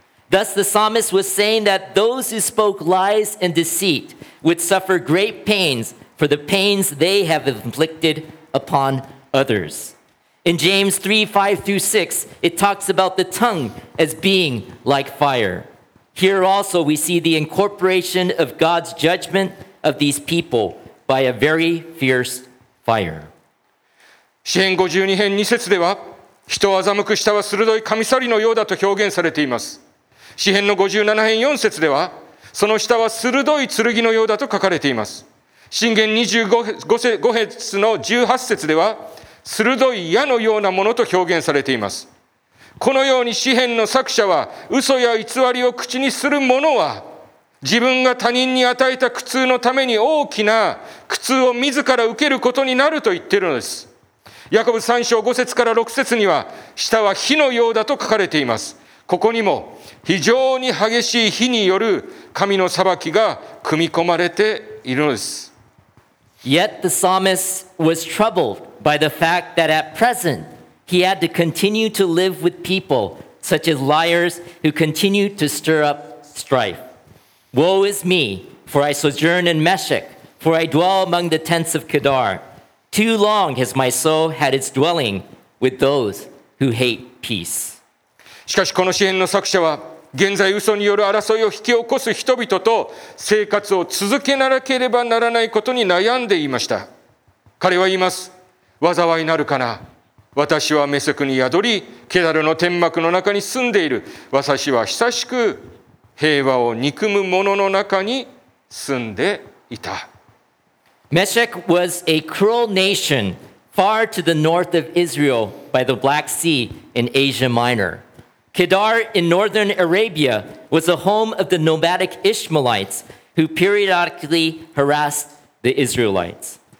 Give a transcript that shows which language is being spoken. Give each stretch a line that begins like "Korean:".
English: Thus, the psalmist was saying that those who spoke lies and deceit would suffer great pains for the pains they have inflicted upon others. In James 3:5-6, it talks about the tongue as being like fire. Here also we see the incorporation of God's judgment of these people by a very fierce fire.
Japanese: 詩編52編2節では、人を欺く舌は鋭いカミソリのようだと表現されています。詩編の57編4節では、その舌は鋭い剣のようだと書かれています。箴言25節の18節では、鋭い矢のようなものと表現されています。このように詩編の作者は、嘘や偽りを口にする者は自分が他人に与えた苦痛のために大きな苦痛を自ら受けることになると言っているのです。ヤコブ3章5節から6節には、舌は火のようだと書かれています。ここにも非常に激しい火による神の裁きが組み込まれているのです。
English: Yet the psalmist was troubled by the fact that at present he had to continue to live with people such as liars who continue to stir up strife. Woe is me, for I sojourn in Meshech, for I dwell among the tents of Kedar. Too long has my soul had its dwelling with those who hate peace.
Japanese: しかしこの詩編の作者は、現在嘘による争いを引き起こす人々と生活を続けなければならないことに悩んでいました。彼は言います。災いなるかな。私はメセクに宿り、ケダルの天幕の中に住んでいる。私は久しく平和を憎む者の中に住んでいた。
English: Meshech was a cruel nation far to the north of Israel by the Black Sea in Asia Minor. Kedar in northern Arabia was the home of the nomadic Ishmaelites who periodically harassed the Israelites.